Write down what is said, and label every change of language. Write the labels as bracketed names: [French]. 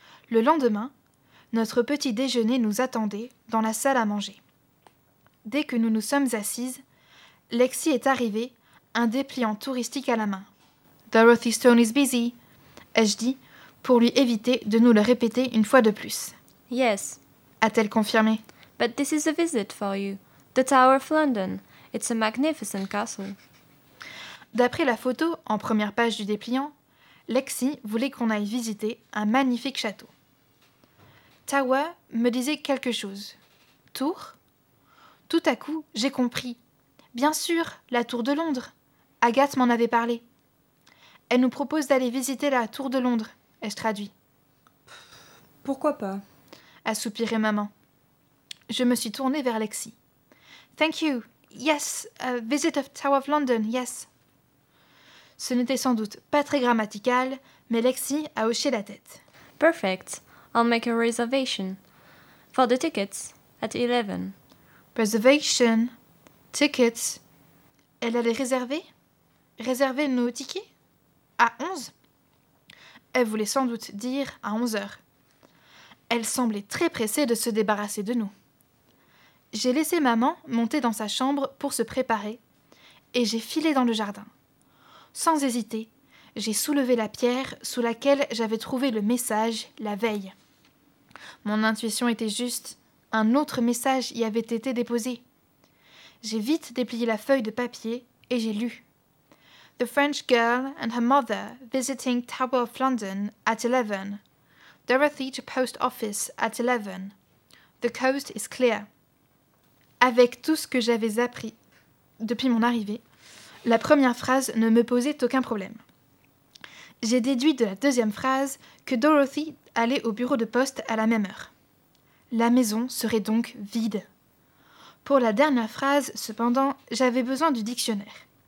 [French] Le lendemain, notre petit déjeuner nous attendait dans la salle à manger. Dès que nous nous sommes assises, Lexi est arrivée, un dépliant touristique à la main. [English] « Dorothy Stone is busy », [French] ai-je dit, pour lui éviter de nous le répéter une fois de plus. [English] « Yes », [French] a-t-elle confirmé. [English] « But this is a visit for you. The Tower of London. It's a magnificent castle. » [French] D'après la photo en première page du dépliant, Lexi voulait qu'on aille visiter un magnifique château. Tower me disait quelque chose. Tour ? Tout à coup, j'ai compris. Bien sûr, la Tour de Londres. Agathe m'en avait parlé. Elle nous propose d'aller visiter la Tour de Londres, ai-je traduit. Pourquoi pas ? A soupiré maman. Je me suis tournée vers Lexi. [English] Thank you. Yes, a visit of Tower of London, yes. [French] Ce n'était sans doute pas très grammatical, mais Lexi a hoché la tête. [English] Perfect. I'll make a reservation for the tickets at 11. Reservation, tickets. [French] Elle allait réserver nos tickets à 11. Elle voulait sans doute dire à 11h. Elle semblait très pressée de se débarrasser de nous. J'ai laissé maman monter dans sa chambre pour se préparer et j'ai filé dans le jardin. Sans hésiter, j'ai soulevé la pierre sous laquelle j'avais trouvé le message la veille. Mon intuition était juste, un autre message y avait été déposé. J'ai vite déplié la feuille de papier et j'ai lu. [English] The French girl and her mother visiting Tower of London at 11. Dorothy to post office at 11. The coast is clear. [French] Avec tout ce que j'avais appris depuis mon arrivée, la première phrase ne me posait aucun problème. J'ai déduit de la deuxième phrase que Dorothy allait au bureau de poste à la même heure. La maison serait donc vide. Pour la dernière phrase, cependant, j'avais besoin du dictionnaire.